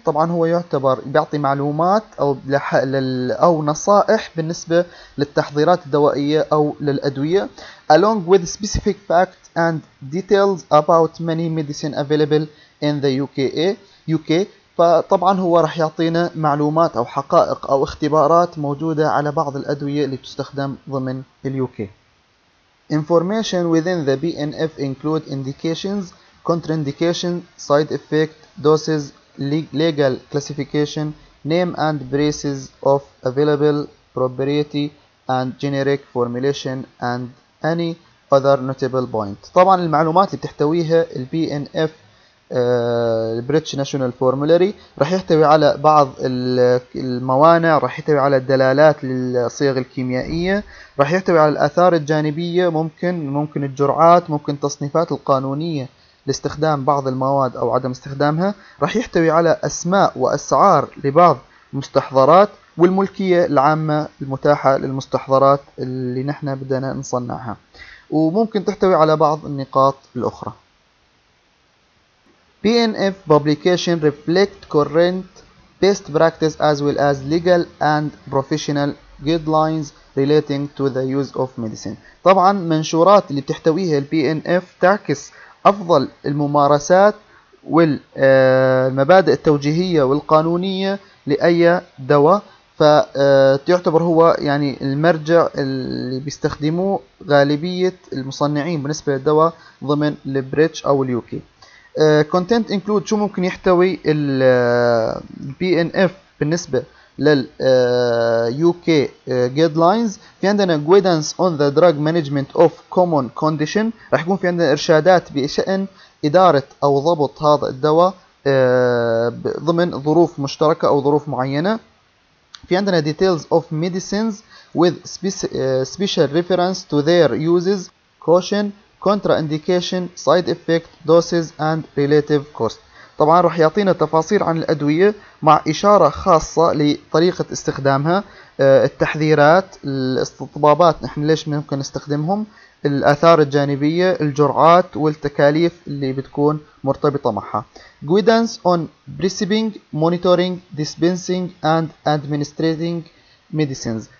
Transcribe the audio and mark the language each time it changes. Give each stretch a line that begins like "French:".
Arabic: طبعا هو يعتبر بيعطي معلومات أو نصائح بالنسبة للتحضيرات الدوائية أو للأدوية
English: along with specific facts and details about many medicine available in the UK.
Arabic: فطبعا هو راح يعطينا معلومات أو حقائق أو اختبارات موجودة على بعض الأدوية اللي تستخدم ضمن UK.
English: Information within the BNF include indications, contraindications, side effect, doses, legal classification, name and prices of available, proprietary and generic formulation and any other notable point.
Arabic: طبعا المعلومات اللي بتحتويها البNF البريتش ناشونال فورمولاري راح يحتوي على بعض الموانع، راح يحتوي على الدلالات للصيغ الكيميائيه، راح يحتوي على الاثار الجانبيه، ممكن الجرعات، ممكن التصنيفات القانونيه لاستخدام بعض المواد او عدم استخدامها، راح يحتوي على اسماء واسعار لبعض المستحضرات، والملكية العامة المتاحة للمستحضرات اللي نحن بدنا نصنعها، وممكن تحتوي على بعض النقاط الأخرى.
English: PNF publication reflect current best practice as well as legal and professional guidelines relating to the use of medicine.
Arabic: طبعا منشورات اللي بتحتويها PNF تعكس أفضل الممارسات والمبادئ التوجيهية والقانونية لأي دواء، فتعتبر هو يعني المرجع اللي بيستخدموه غالبية المصنعين بالنسبة للدواء ضمن البريتش أو اليوكي.
English: Content include
Arabic: شو ممكن يحتوي الـ PNF بالنسبة لل UK guidelines. في عندنا
English: guidance on the drug management of common condition،
Arabic: رح يكون في عندنا إرشادات بشأن إدارة أو ضبط هذا الدواء ضمن ظروف مشتركة أو ظروف معينة. في عندنا
English: details of medicines with special reference to their uses, caution, contraindication, side effect, doses and relative cost.
Arabic: طبعا رح يعطينا تفاصيل عن الأدوية مع إشارة خاصة لطريقة استخدامها، التحذيرات، الاستطبابات نحن ليش ممكن نستخدمهم، الآثار الجانبية، الجرعات والتكاليف اللي بتكون مرتبطة معها.
English: Guidance on prescribing, monitoring, dispensing and administering medicines.